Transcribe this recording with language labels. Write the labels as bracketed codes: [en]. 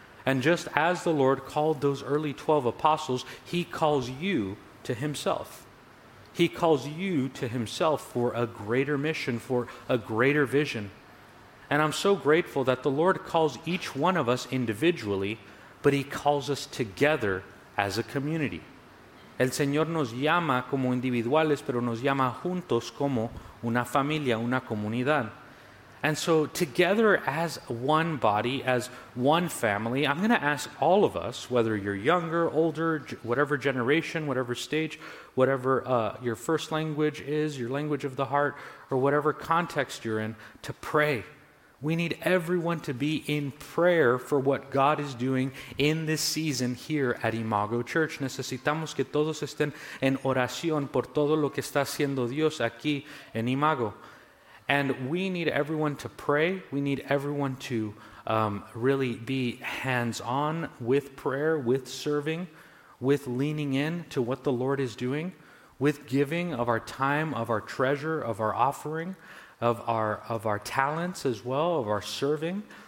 [en] And just as the Lord called those early 12 apostles, he calls you to himself. He calls you to himself for a greater mission, for a greater vision. And I'm so grateful that the Lord calls each one of us individually, but he calls us together as a community. [es] El Señor nos llama como individuales, pero nos llama juntos como una familia, una comunidad. [en] And so together as one body, as one family, I'm going to ask all of us, whether you're younger, older, whatever generation, whatever stage, whatever your first language is, your language of the heart, or whatever context you're in, to pray. We need everyone to be in prayer for what God is doing in this season here at Imago Church. [es] Necesitamos que todos estén en oración por todo lo que está haciendo Dios aquí en Imago. [en] And we need everyone to pray. We need everyone to really be hands-on with prayer, with serving, with leaning in to what the Lord is doing, with giving of our time, of our treasure, of our offering, of our talents as well, of our serving.